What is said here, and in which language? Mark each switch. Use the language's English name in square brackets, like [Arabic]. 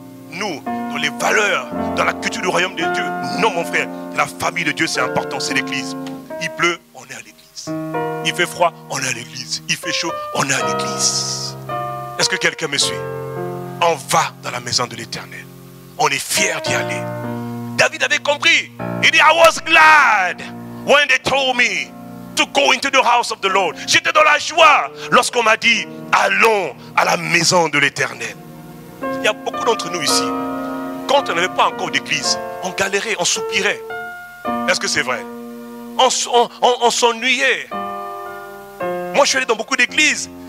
[French] Nous, dans les valeurs, dans la culture du royaume de Dieu. Non, mon frère, la famille de Dieu, c'est important, c'est l'église. Il pleut, on est à l'église. Il fait froid, on est à l'église. Il fait chaud, on est à l'église. Est-ce que quelqu'un me suit? On va dans la maison de l'Éternel. On est fiers d'y aller. David avait compris. Il dit, [English] I was glad when they told me to go into the house of the Lord. [French] J'étais dans la joie lorsqu'on m'a dit, allons à la maison de l'Éternel. Il y a beaucoup d'entre nous ici. Quand on n'avait pas encore d'église, on galérait, on soupirait. Est-ce que c'est vrai? On s'ennuyait. Moi, je suis allé dans beaucoup d'églises.